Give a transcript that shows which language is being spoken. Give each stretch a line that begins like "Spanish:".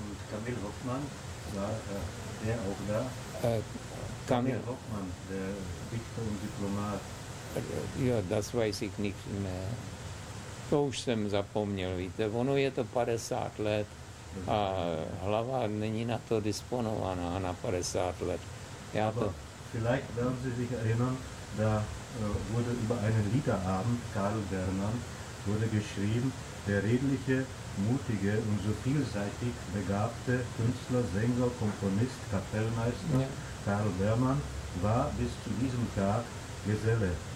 German: Kamil Hoffmann, der auch da. Kamil Hoffmann, der Dichter und Diplomat. Jo, das weiß ich nicht mehr.
Czech: To už jsem zapomněl, víte, ono je to 50 let a hlava není na to disponovaná na 50 let. Já to...
German: Vielleicht werden Sie sich erinnern, da wurde über einen Liederabend Karel Berman wurde geschrieben, der redliche, mutige und so vielseitig begabte Künstler, Sänger, Komponist, Kapellmeister Karel Berman war bis zu diesem Tag Geselle.